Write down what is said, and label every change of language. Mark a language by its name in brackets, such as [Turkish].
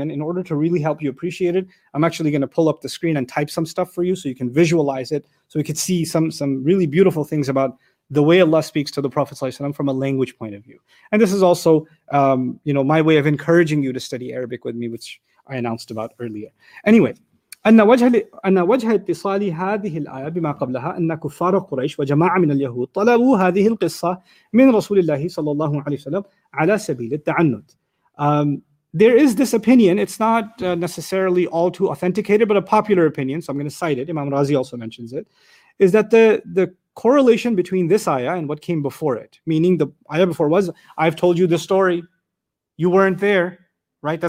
[English] And in order to really help you appreciate it, I'm actually going to pull up the screen and type some stuff for you so you can visualize it, so we could see some really beautiful things about the way Allah speaks to the Prophet ﷺ from a language point of view. And this is also my way of encouraging you to study Arabic with me, which I announced about earlier. Anyway, [Arabic] أن وجه اتصال هذه الآية بما قبلها أن كفار قريش وجماعة من اليهود طلبوا هذه القصة من رسول الله صلى الله عليه وسلم على سبيل التعنت. [English] There is this opinion, it's not necessarily all too authenticated, but a popular opinion, so I'm going to cite it, Imam Razi also mentions it, is that the correlation between this ayah and what came before it, meaning the ayah before was, I've told you the story, you weren't there, right?